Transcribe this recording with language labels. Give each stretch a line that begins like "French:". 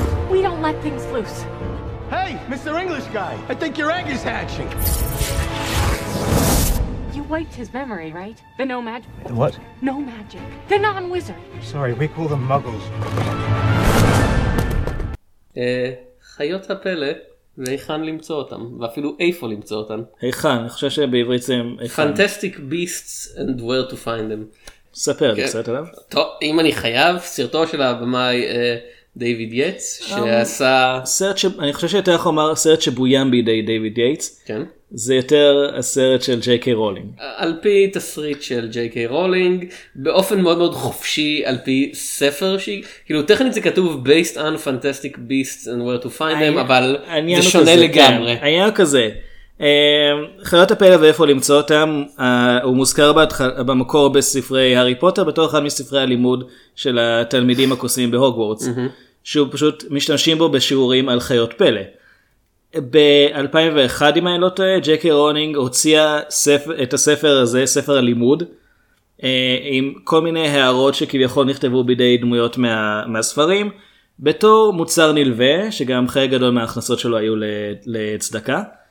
English: We don't let things loose. Hey, Mr. English guy, I think your egg is hatching. You wiped his memory, right? The no magic. The what? No magic. The non-wizard. Sorry, we call them muggles.
Hebrew: חיות הפלא, והיכן למצוא אותם, ואפילו איפה למצוא אותם. היכן, אני חושב שבעברית זה הם היכן.
English: Fantastic beasts and where to find them.
Hebrew: ספר, כן. בסרט עליו. טוב, אם אני חייב, סרטו של הבמאי... דייוויד יייטס, שעשה... סרט ש... אני חושב שיותר יכול לומר סרט שבוים בידי דייוויד יייטס. כן. זה יותר הסרט של ג'יי קיי רולינג. על פי תסריט של ג'יי קיי רולינג, באופן מאוד מאוד חופשי, על פי ספר שהיא... כאילו, טכנית זה כתוב
English: Based on Fantastic Beasts and Where to Find Them,
Hebrew: אבל זה שונה כזה, לגמרי. כן. היה כזה. חיות הפלא ואיפה למצוא אותם, הוא מוזכר במקור בספרי הארי פוטר, בתור אחד מספרי הלימוד של התלמידים הקוסמים בהוגוורטס, שהוא פשוט משתמשים בו בשיעורים על חיות פלא. ב-2001, אם אני לא טועה, ג'קי רונינג הוציאה את הספר הזה, ספר הלימוד, עם כל מיני הערות שכביכול נכתבו בידי דמויות מהספרים, בתור מוצר נלווה, שגם חלק גדול מההכנסות שלו היו לצדקה.